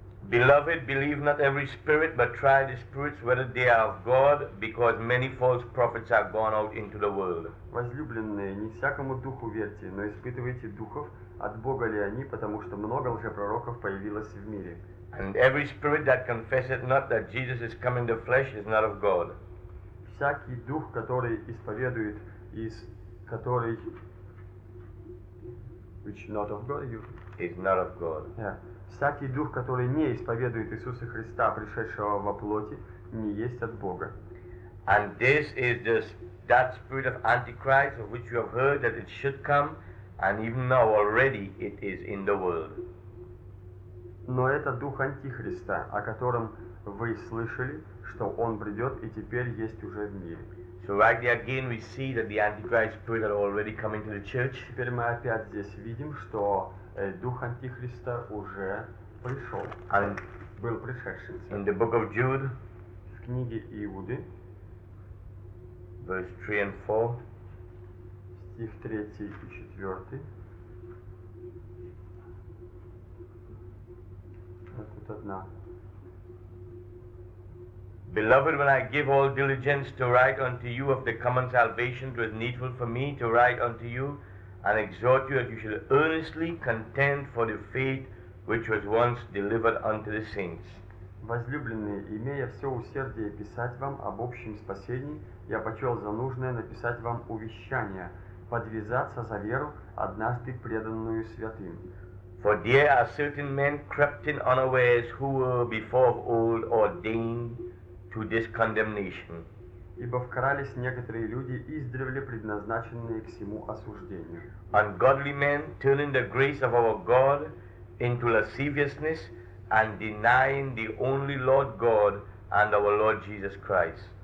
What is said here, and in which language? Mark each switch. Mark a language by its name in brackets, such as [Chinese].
[English] Beloved, believe not every spirit, but try the spirits whether they are of God, because many false prophets are gone out into the world. [Russian] Возлюбленные, не всякому духу верьте, но испытывайте духов, от Бога ли они, потому что много лжепророков появилось в мире. [English] And every spirit that confesseth not that Jesus is come in the flesh is not of God. [Russian] Всякий дух, который исповедует который [English] which not of God you is not of God. Yeah. [Russian] Всякий дух, который не исповедует Иисуса Христа, пришедшего во плоти, не есть от Бога. [English] And this is that spirit of Antichrist of which you have heard that it should come, and even now already it is in the world. [Russian] Но это дух Антихриста, о котором вы слышали, что он придет и теперь есть уже в мире. [English] So right there again we see that the Antichrist spirit had already come into the church. [Russian] Теперь мы опять здесь видим, что дух Антихриста уже пришел. [English] And [Russian] был пришедшим. [English] In the book of Jude, [Russian] в книге Иуды, [English] verse 3 and 4, [Russian] стих 3 и 4. Вот тут одна. [English] Beloved, when I give all diligence to write unto you of the common salvation, it was needful for me to write unto you and exhort you that you should earnestly contend for the faith which was once delivered unto the saints. [Russian] Возлюбленные, имея все усердие писать вам об общем спасении, я почел за нужное написать вам увещание, подвязаться за веру, однажды преданную святым. [English] For there are certain men crept in unawares who were before of old ordained to this condemnation. [Russian] Ибо вкрались некоторые люди, издревле предназначенные к сему осуждению. [English] Ungodly men, turning the grace of our God into lasciviousness and denying the only Lord God and our Lord Jesus Christ.